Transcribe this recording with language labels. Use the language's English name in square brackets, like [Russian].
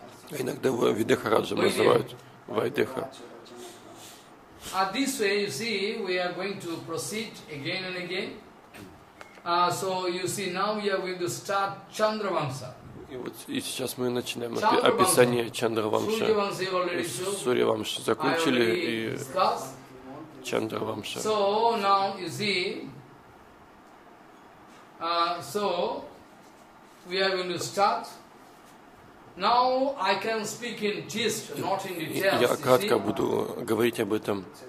[Russian] Иногда его Видехараджа называют Вайдеха. И вот и сейчас мы начинаем описание Чандравамша. Сурьявамша закончили и Чандравамша. [English] So now you see, so we are going to start. Now I can speak in gist, not in details. [Russian] Я кратко буду говорить об этом.